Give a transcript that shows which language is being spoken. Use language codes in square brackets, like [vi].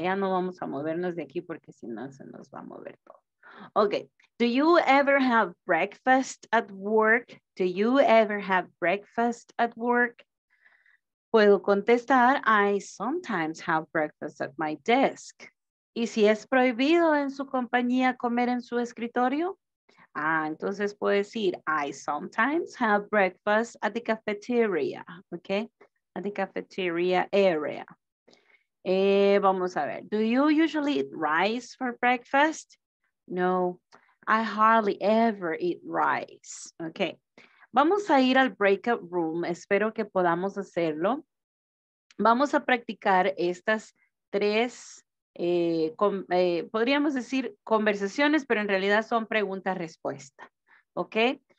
[es] Ya no vamos a movernos de aquí porque si no se nos va a mover todo. [en] Ok, do you ever have breakfast at work? Do you ever have breakfast at work? [es] Puedo contestar, [en] I sometimes have breakfast at my desk. [es] ¿Y si es prohibido en su compañía comer en su escritorio? Ah, entonces puedo decir, [en] I sometimes have breakfast at the cafeteria, okay? At the cafeteria area. [es] Vamos a ver, [en] do you usually eat rice for breakfast? No, I hardly ever eat rice, okay? [es] Vamos a ir al breakout room, espero que podamos hacerlo. Vamos a practicar estas tres podríamos decir conversaciones, pero en realidad son pregunta-respuesta, ¿ok?